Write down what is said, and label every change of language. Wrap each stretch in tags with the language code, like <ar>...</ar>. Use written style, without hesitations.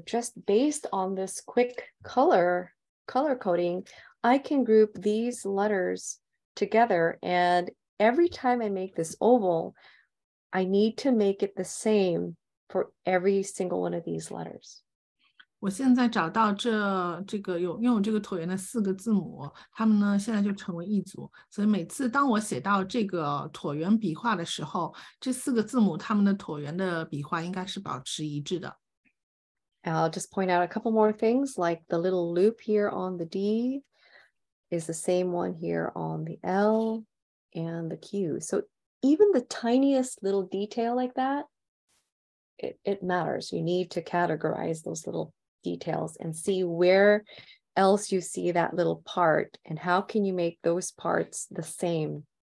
<en>just based on this quick color coding, I can group these letters together, and every time I make this oval, I need to make it the same for every single one of these letters.</en> <zh>我现在找到这个用这个椭圆的四个字母，它们呢现在就成为一组。所以每次当我写到这个椭圆笔画的时候，这四个字母它们的椭圆的笔画应该是保持一致的。</zh> <en>I'll just point out a couple more things, like the little loop here on the D is the same one here on the L and the Q. So even the tiniest little detail like that, it matters. You need to categorize those little details and see where else you see that little part and how can you make those parts the same.</en>